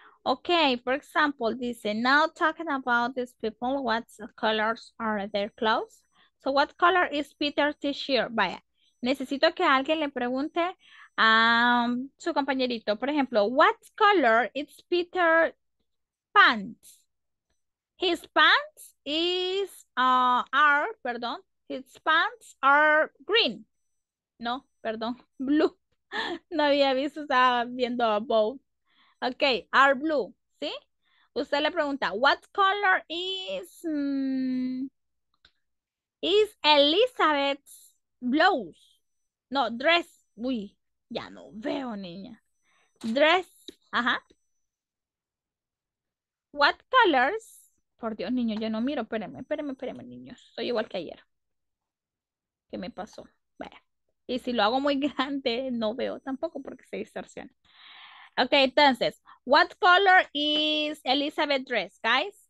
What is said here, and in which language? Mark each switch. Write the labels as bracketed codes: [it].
[en] Okay, for example, dice, now talking about these people, what colors are their clothes? So what color is Peter's t-shirt? [es] Vaya, necesito que alguien le pregunte a su compañerito. Por ejemplo, [en] what color is Peter's pants? His pants blue. [es] No había visto, estaba viendo a both. Ok, [en] are blue, [es] ¿sí? Usted le pregunta, [en] what color is Elizabeth's blouse? No, dress. [es] Uy, ya no veo, niña. Dress, ajá. [en] What colors? [es] Por Dios, niño, yo no miro. Espéreme, niños. Soy igual que ayer. ¿Qué me pasó? Vaya. Y si lo hago muy grande, no veo tampoco porque se distorsiona. [en] Ok, entonces, what color is Elizabeth dress, guys?